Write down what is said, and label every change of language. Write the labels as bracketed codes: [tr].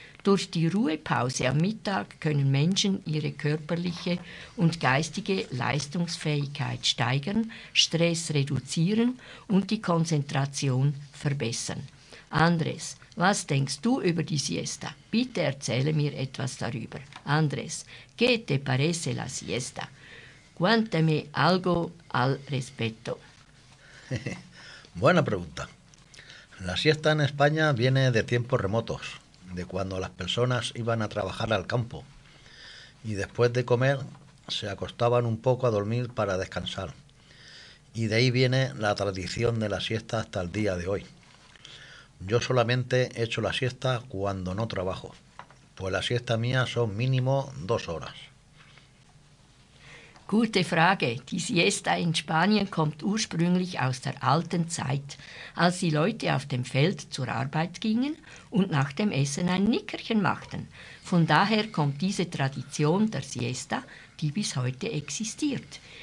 [de] Durch die Ruhepause am Mittag können Menschen ihre körperliche und geistige Leistungsfähigkeit steigern, Stress reduzieren und die Konzentration verbessern. Andres, was denkst du über die Siesta? Bitte erzähle mir etwas darüber. [es] Andres, ¿qué te parece la siesta? Cuéntame algo al respecto. Buena pregunta. La siesta en España viene de tiempos remotos, de cuando las personas iban a trabajar al campo y después de comer se acostaban un poco a dormir para descansar. Y de ahí viene la tradición de la siesta hasta el día de hoy. Yo solamente echo la siesta cuando no trabajo, pues la siesta mía son mínimo dos horas. [de] Gute Frage. Die Siesta in Spanien kommt ursprünglich aus der alten Zeit, als die Leute auf dem Feld zur Arbeit gingen und nach dem Essen ein Nickerchen machten. Von daher kommt diese Tradition der Siesta, die bis heute existiert.